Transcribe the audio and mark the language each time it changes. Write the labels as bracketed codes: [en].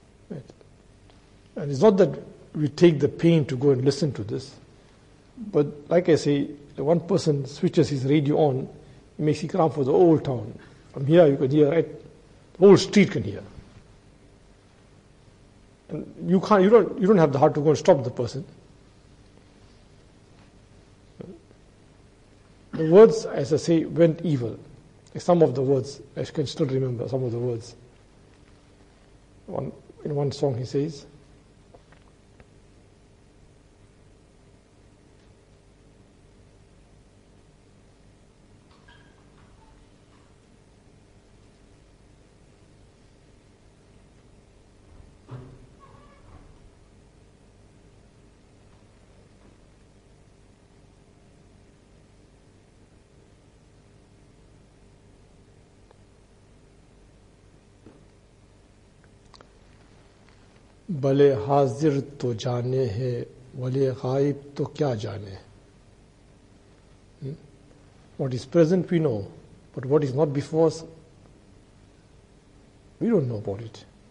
[en] Right. And it's not that we take the pain to go and listen to this, but like I say, one person switches his radio on, he makes ikram for the whole town. From here, you can hear, right? The whole street can hear. And you can't, you don't have the heart to go and stop the person. The words, as I say, went evil. Some of the words, I can still remember some of the words. In one song he says, [ur] بھلے حاضر تو جانے ہیں بھلے غائب تو کیا جانے. [en] What is present we know, but what is not before us, we don't know about it.